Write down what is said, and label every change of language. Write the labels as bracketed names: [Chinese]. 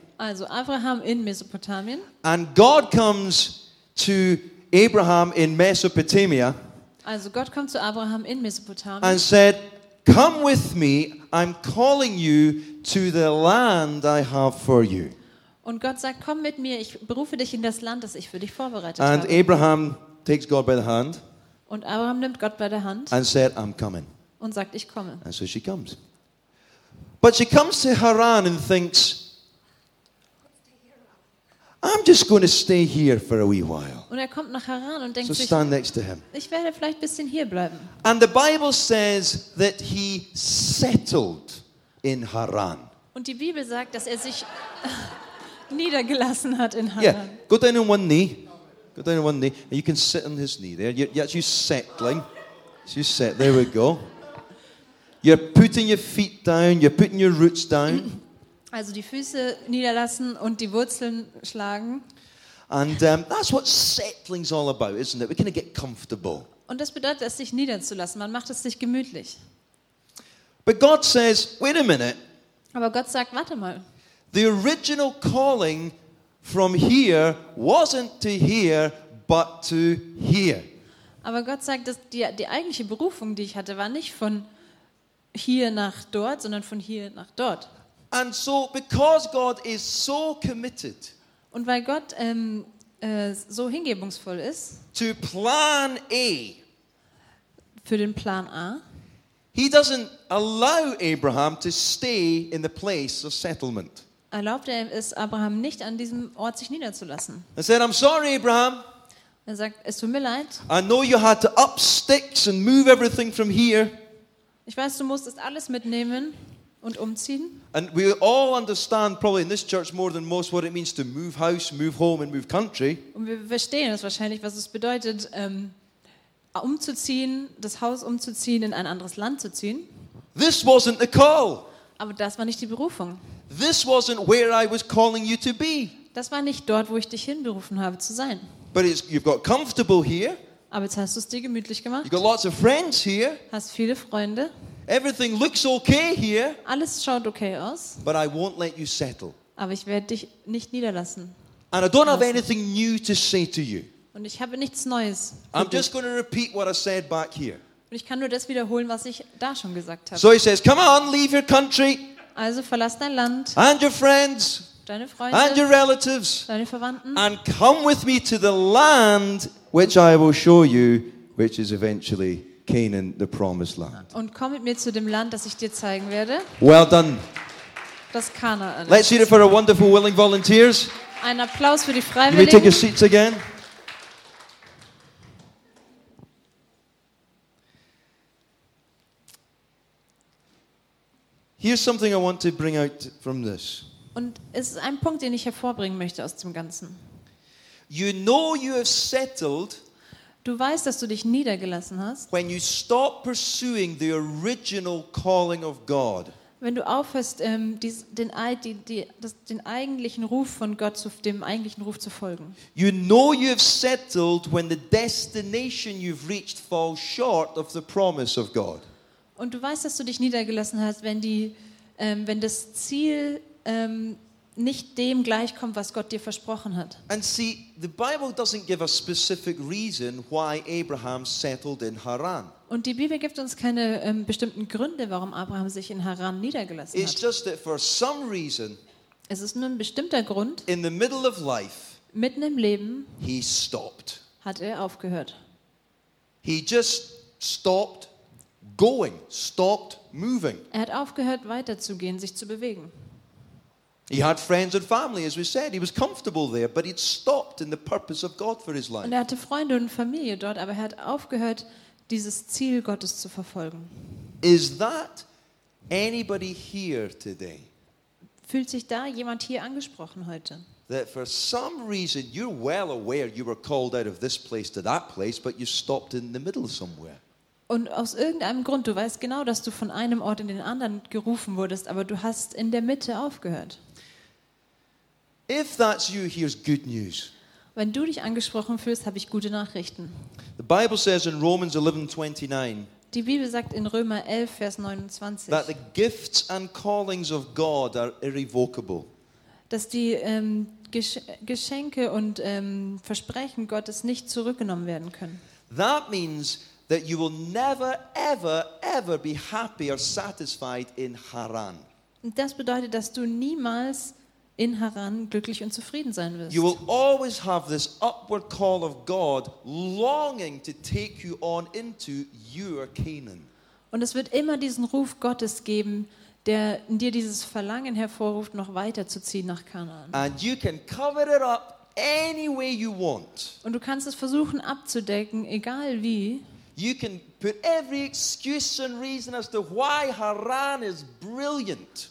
[German] Also Abraham in Mesopotamien. [English] And God comes to Abraham in Mesopotamia. [German] Also Gott kommt zu Abraham in Mesopotamien. [English] And said, come with me, I'm calling you to the land I have for you. [German] Und Gott sagt, komm mit mir, ich berufe dich in das Land, das ich für dich vorbereitet [English] and [German] habe. [English] And Abraham takes God by the hand. [German] Und Abraham nimmt Gott bei der Hand. [English] And said, I'm coming. [German] Und sagt, ich komme. [English] And so she comes. But she comes to Haran and thinks, I'm just going to stay here for a wee while. [German] Und er kommt nach Haran und denkt so sich, [English] stand next to him. [German] Ich werde vielleicht ein bisschen hier bleiben. [English] And the Bible says that he settled in Haran. [German] Und die Bibel sagt, dass er sich niedergelassen hat in Haran. [English] Yeah, go down on one knee. Go down on one knee. And you can sit on his knee there. You're settling. So you set. There we go. You're putting your feet down. You're putting your roots down. [German] Also die Füße niederlassen und die Wurzeln schlagen. [English] And that's what settling's all about, isn't it? We kind of get comfortable. [German] Und das bedeutet, es sich niederzulassen. Man macht es sich gemütlich. [English] But God says, wait a minute. [German] Aber Gott sagt, warte mal. [English] The original calling from here wasn't to here, but to here. [German] Aber Gott sagt, dass die eigentliche Berufung, die ich hatte, war nicht von hier nach dort, sondern von hier nach dort. [English] And so, because God is so committed, [German] und weil Gott so hingebungsvoll ist, [English] to plan A, [German] für den Plan A, [English] he doesn't allow Abraham to stay in the place of settlement. [German] Erlaubt er es Abraham nicht, an diesem Ort sich niederzulassen. [English] And said, I'm sorry, Abraham. [German] Er sagt, es tut mir leid. [English] I know you had to up sticks and move everything from here. [German] Ich weiß, du musstest alles mitnehmen und umziehen. [English] And we all understand probably in this church more than most what it means to move house, move home and move country. [German] Und wir verstehen es wahrscheinlich, was es bedeutet, umzuziehen, das Haus umzuziehen, in ein anderes Land zu ziehen. [English] This wasn't the call. [German] Aber das war nicht die Berufung. [English] This wasn't where I was calling you to be. [German] Das war nicht dort, wo ich dich hinberufen habe zu sein. [English] But you've got comfortable here. [German] Aber jetzt hast du es dir gemütlich gemacht. [English] You've got lots of friends here. [German] Hast viele Freunde. [English] Everything looks okay here. [German] Alles schaut okay aus. [English] But I won't let you settle. [German] Aber ich werde dich nicht niederlassen. [English] And I don't have anything new to say to you. [German] Und ich habe nichts Neues. [English] I'm just going to repeat what I said back here. [German] Und ich kann nur das wiederholen, was ich da schon gesagt habe. [English] So he says, come on, leave your country. [German] Also verlass dein Land. [English] And your friends. [German] Deine Freunde. [English] And your relatives. [German] Deine Verwandten. [English] And come with me to the land which I will show you, which is eventually Canaan, the promised land. [German] Und komm mit mir zu dem Land, das ich dir zeigen werde. [English] Well done. [German] das Kanaan. [English] Let's hear it for our wonderful willing volunteers. [German] Ein Applaus für die Freiwilligen. [English] Can we take your seats again? Here's something I want to bring out from this. [German] Und es ist ein Punkt, den ich hervorbringen möchte aus dem Ganzen. [English] You know you have settled. [German] Du weißt, dass du dich niedergelassen hast. [English] When you stop pursuing the original calling of God. [German] Wenn du aufhörst, den eigentlichen Ruf von Gott zu dem eigentlichen Ruf zu folgen. [English] You know you have settled when the destination you've reached falls short of the promise of God. [German] Und du weißt, dass du dich niedergelassen hast, wenn die, wenn das Ziel nicht dem gleichkommt, was Gott dir versprochen hat. [English] And see, the Bible doesn't give a specific reason why Abraham settled in Haran. [German] Und die Bibel gibt uns keine bestimmten Gründe, warum Abraham sich in Haran niedergelassen hat. [English] It's just that for some reason, [German] es ist nur ein bestimmter Grund, [English] in the middle of life, [German] mitten im Leben, [English] he stopped. [German] Hat er aufgehört. [English] He just stopped going, stopped moving. [German] Er hat aufgehört, weiterzugehen, sich zu bewegen. [English] He had friends and family, as we said. He was comfortable there, but he'd stopped in the purpose of God for his life. [German] Und er hatte Freunde und Familie dort, aber er hat aufgehört, dieses Ziel Gottes zu verfolgen. [English] Is that anybody here today? [German] Fühlt sich da jemand hier angesprochen heute? [English] That for some reason you're well aware you were called out of this place to that place, but you stopped in the middle somewhere. [German] Und aus irgendeinem Grund, du weißt genau, dass du von einem Ort in den anderen gerufen wurdest, aber du hast in der Mitte aufgehört. [English] If that's you, here's good news. [German] Wenn du dich angesprochen fühlst, habe ich gute Nachrichten. [English] The Bible says in Romans 11:29. [German] Die Bibel sagt in Römer 11, Vers 29. [English] That the gifts and callings of God are irrevocable. [German] Dass die Geschenke und Versprechen Gottes nicht zurückgenommen werden können. [English] That means that you will never, ever, ever be happy or satisfied in Haran. [German] Das bedeutet, dass du niemals in Haran glücklich und zufrieden sein wirst. [English] You will always have this upward call of God longing to take you on into your Canaan. [German] Und es wird immer diesen Ruf Gottes geben, der in dir dieses Verlangen hervorruft, noch weiterzuziehen nach Kanaan. [English] And you can cover it up any way you want. [German] Und du kannst es versuchen abzudecken, egal wie. [English] You can put every excuse and reason as to why Haran is brilliant.